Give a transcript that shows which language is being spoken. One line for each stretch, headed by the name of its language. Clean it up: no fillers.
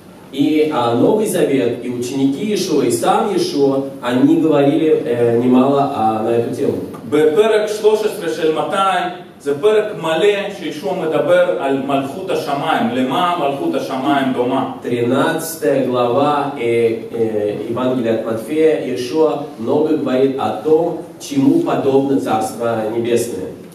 Russian: И Новый Завет, и ученики Иешуа, и сам Иешуа, они говорили немало на эту тему.
Hebrew: בפרק 13 של מתי, זה פרק מלא שישוע מדבר על מלכות השמיים, למה מלכות השמיים דומה.
Russian: 13 глава Евангелия от Матфея, ישוע много говорит о том, чему подобно царство небесное.